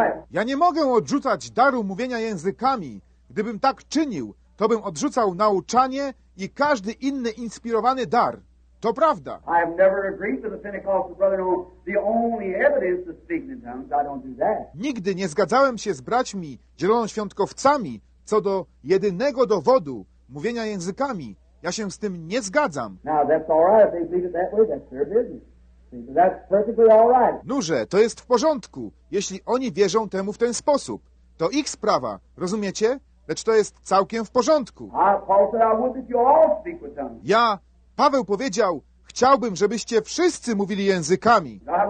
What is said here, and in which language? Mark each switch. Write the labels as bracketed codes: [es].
[pl] Ja nie mogę odrzucać daru mówienia językami. Gdybym tak czynił, to bym odrzucał nauczanie i każdy inny inspirowany dar. To prawda. [en] I have never agreed with the Pentecostal brother on the only evidence of speaking in tongues. I don't do that. [pl] Nigdy nie zgadzałem się z braćmi zielonoświątkowcami co do jedynego dowodu mówienia językami. Ja się z tym nie zgadzam. [en] Now that's all right if they believe it that way. That's their business. See, that's perfectly all right. [pl] Noże, to jest w porządku, jeśli oni wierzą temu w ten sposób. To ich sprawa, rozumiecie? Lecz to jest całkiem w porządku. [en] Paul said I would that you all speak with tongues. [pl] Ja... Paweł powiedział, chciałbym, żebyście wszyscy mówili językami.